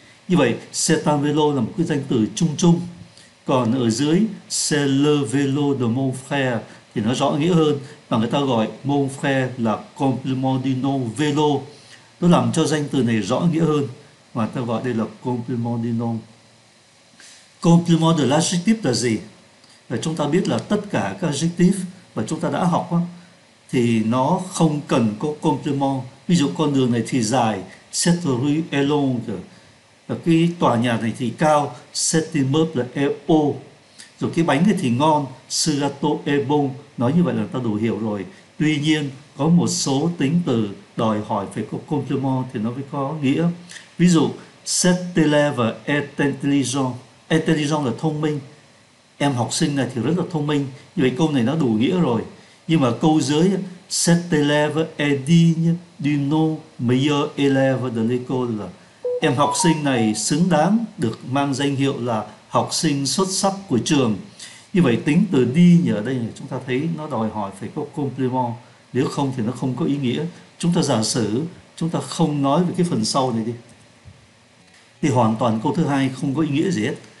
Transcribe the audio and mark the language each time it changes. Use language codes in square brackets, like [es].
[vi] Như vậy [fr] c'est un vélo [vi] là một cái danh từ chung chung. Còn ở dưới, [fr] c'est le vélo de mon frère [vi] thì nó rõ nghĩa hơn và người ta gọi mon frère là complément du nom vélo. Nó làm cho danh từ này rõ nghĩa hơn và ta gọi đây là complément du nom. [fr] Complément de l'adjectif [vi] là gì? Và chúng ta biết là tất cả các adjectif mà chúng ta đã học đó, thì nó không cần có complément. Ví dụ con đường này thì dài, [fr] cette rue est longue. [vi] Cái tòa nhà này thì cao, [fr] cet immeuble est haut. [vi] Rồi cái bánh này thì ngon, [fr] ce gâteau est bon. [vi] Nói như vậy là ta đủ hiểu rồi. Tuy nhiên, có một số tính từ đòi hỏi phải có complement thì nó mới có nghĩa. Ví dụ, [fr] cet élève est intelligent. [vi] Intelligent là thông minh. Em học sinh này thì rất là thông minh. Như vậy câu này nó đủ nghĩa rồi. Nhưng mà câu dưới, [fr] cet élève est digne du nom meilleur élève de l'école. [vi] Em học sinh này xứng đáng được mang danh hiệu là học sinh xuất sắc của trường. Như vậy tính từ đi ở đây chúng ta thấy nó đòi hỏi phải có complement, nếu không thì nó không có ý nghĩa. Chúng ta giả sử chúng ta không nói về cái phần sau này đi, thì hoàn toàn câu thứ hai không có ý nghĩa gì hết.